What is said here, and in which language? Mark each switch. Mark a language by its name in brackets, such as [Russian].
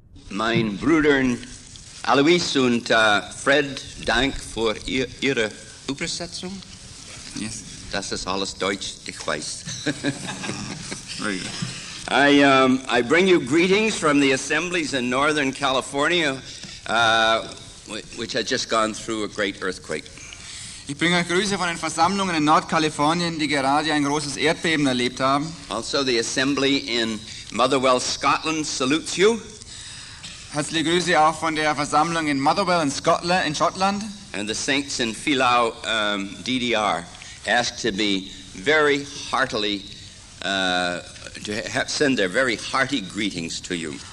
[German] mein Brüdern Alois und Fred, Dank für Ihre Übersetzung. [English] Yes. [German] Das ist alles Deutsch, ich weiß. [English] Very good. I bring you greetings from the assemblies in Northern California, which had just gone through a great earthquake. [German] Ich bringe euch Grüße von den Versammlungen in Nordkalifornien, die gerade ein großes Erdbeben erlebt haben. [English] Also the assembly in Motherwell, Scotland salutes you. [German] Herzliche Grüße auch von der Versammlung in Motherwell in Scotland, in Schottland. [English] And the saints in Philau, DDR, ask to be very heartily to have send their very hearty greetings to you.